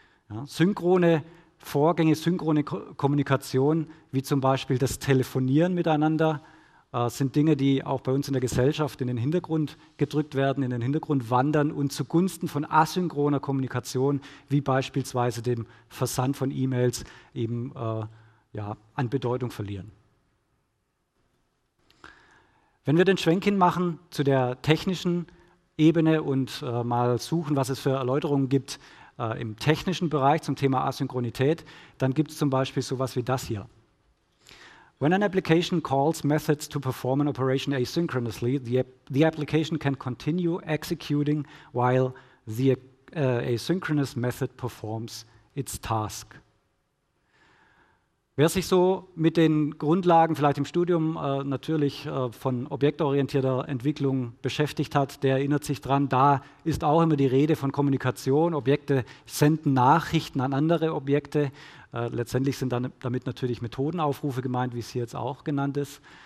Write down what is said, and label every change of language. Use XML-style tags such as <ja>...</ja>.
<de>Ja, synchrone Vorgänge, synchrone Kommunikation, wie zum Beispiel das Telefonieren miteinander, sind Dinge, die auch bei uns in der Gesellschaft in den Hintergrund gedrückt werden, in den Hintergrund wandern und zugunsten von asynchroner Kommunikation, wie beispielsweise dem Versand von E-Mails, eben an Bedeutung verlieren. Wenn wir den Schwenk hin machen zu der technischen Ebene und mal suchen, was es für Erläuterungen gibt im technischen Bereich zum Thema Asynchronität, dann gibt es zum Beispiel sowas wie das hier.</de> <en>When an application calls methods to perform an operation asynchronously, the application can continue executing while the asynchronous method performs its task.</en> <de>Wer sich so mit den Grundlagen vielleicht im Studium von objektorientierter Entwicklung beschäftigt hat, der erinnert sich dran, da ist auch immer die Rede von Kommunikation. Objekte senden Nachrichten an andere Objekte. Letztendlich sind dann damit natürlich Methodenaufrufe gemeint, wie es hier jetzt auch genannt ist.</de>